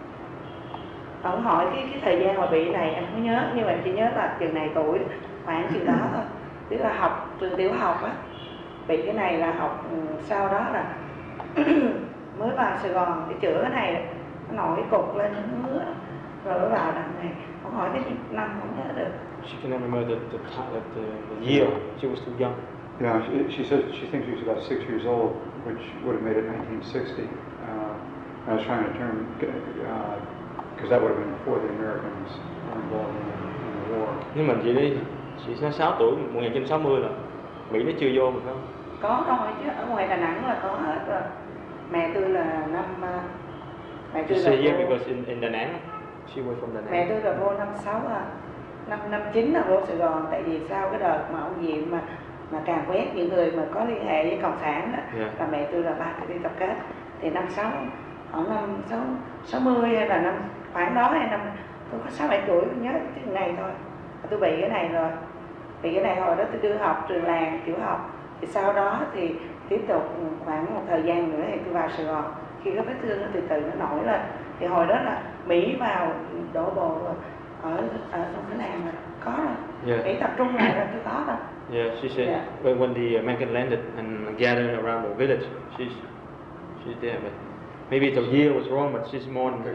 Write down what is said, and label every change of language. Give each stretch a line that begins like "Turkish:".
Vietnamese: Mm-hmm. Ông hỏi cái thời gian mà bị này em không nhớ, nhưng mà chỉ nhớ là chừng này tuổi, khoảng chừng đó thôi. Tức là học trường tiểu học á, bị cái này là học sau đó là mới vào Sài Gòn để chữa cái này. Nổi cục lên hứa rồi nó vào đằng này có hỏi cái năm không nhớ được.
English: She can't remember the year. She was too young. Yeah, she said she thinks she was about 6 years old, which would have made it 1960. I was trying to turn because that would have been before the Americans were involved in the war.
Vietnamese: Nhưng mà chị đi, chị sáu tuổi 1960 rồi, Mỹ nó chưa vô mà không? Có rồi chứ ở ngoài Đà Nẵng là có hết rồi. Mẹ tôi là năm.
English: She said yeah, because in Da Nang, she was from Da Nang.
Vietnamese: Mẹ tôi là vô năm 6 à, năm 59 là vô Sài Gòn. Tại vì sau cái đợt mà ông Diệm mà càng quét những người mà có liên hệ với Cộng sản đó,
English: yeah.
Vietnamese: Và mẹ tôi là ba tôi đi tập kết. Thì năm 6, khoảng năm 60 hay là năm khoảng đó hay năm, tôi có 6-7 tuổi, nhớ cái này thôi. Tôi bị cái này rồi. Bị cái này hồi đó tôi đưa học trường làng, tiểu học. Thì sau đó thì tiếp tục khoảng một thời gian nữa thì tôi vào Sài Gòn. Khi cái vết thương nó từ từ nó nổi lên thì hồi đó là Mỹ vào đổ bộ ở ở trong cái Nam rồi, có rồi.
English: Yeah.
Vietnamese: Mỹ tập trung lại rồi tôi có rồi.
English: Yeah, she said yeah. When the American landed and gathered around the village, she's there. But maybe the year was wrong, but she's more than